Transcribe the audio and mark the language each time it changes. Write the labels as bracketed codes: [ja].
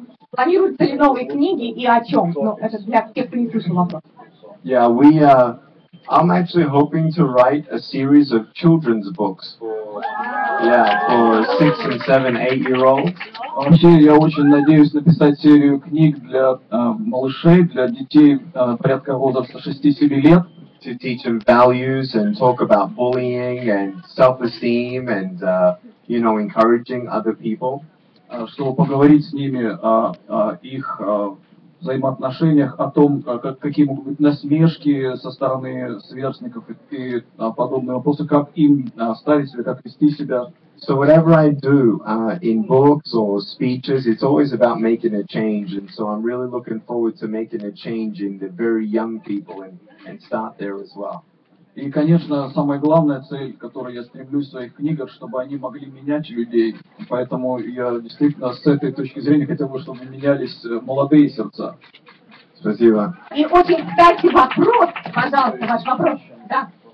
[ru] Планируются ли новые книги и о чем? Но это для тех, кто не слышал вопрос. [en] Yeah, we are. I'm actually hoping to write a series of children's books. Yeah, for 6 and 7, 8-year-olds. [ru] Вообще, я очень надеюсь написать серию книг для малышей, для детей порядка возраста 6-7 лет. [en] To teach them values and talk about bullying and self-esteem and you know, encouraging other people. [ru] Чтобы поговорить с ними о их взаимоотношениях, о том, какие могут быть насмешки со стороны сверстников и подобные вопросы, как им ставить себя, как вести себя. [en] So whatever I do in books or speeches, it's always about making a change. And so I'm really looking forward to making a change in the very young people and start there as well. [ru] И, конечно, самая главная цель, к которой я стремлюсь в своих книгах, чтобы они могли менять людей. Поэтому я действительно с этой точки зрения хотел бы, чтобы менялись молодые сердца. Спасибо. И очень, кстати, вопрос, пожалуйста, ваш вопрос. Да.